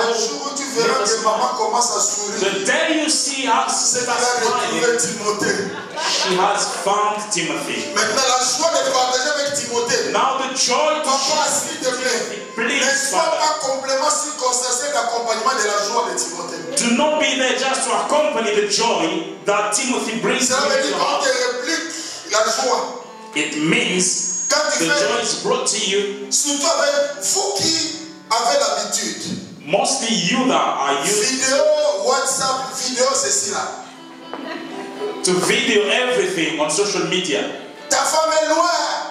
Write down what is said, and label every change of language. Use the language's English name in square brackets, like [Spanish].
[French] Le jour où tu verras que maman commence à sourire. [English] The day you see her, [French] c'est la retrouvée Timothée. [English] She has found Timothy. [French] Maintenant la joie de partager avec Timothée. [English] Now the joy to [French] papa, s'il te plaît. [English] Please, [French] ne sois pas complément circonstancié d'accompagnement de la joie de Timothée. [English] Do not be there just to accompany the joy that Timothy brings. [French] Ça veut dire quand tu répliques la joie. [English] It means the joy is brought to you. [French] Surtout avec vous qui avez l'habitude. [English] Mostly you that are you. [French] Video, WhatsApp, video, ceci là. [English] To video everything on social media. [French] Ta femme est loin.